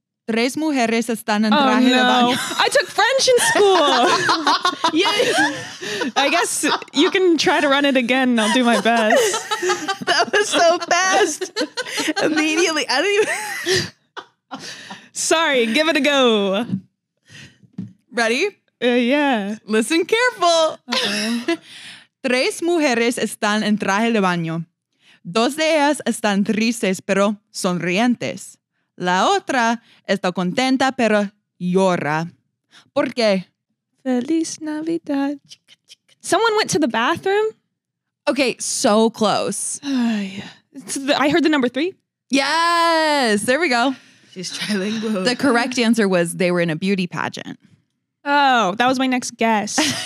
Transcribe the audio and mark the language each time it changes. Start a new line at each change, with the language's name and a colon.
Spanish: Tres mujeres están en traje de baño.
English: I took French in school. Yay. I guess you can try to run it again and I'll do my best. That was so fast. Immediately. I didn't even. Sorry, give it a go. Ready? Yeah. Listen careful.
Spanish: Tres mujeres están en traje de baño. Dos de ellas están tristes pero sonrientes. La otra está contenta, pero llora. ¿Por qué? Feliz Navidad.
English: Someone went to the bathroom. Okay, so close. I heard the number 3. Yes, there we go. She's trilingual. The correct answer was they were in a beauty pageant. Oh, that was my next guess.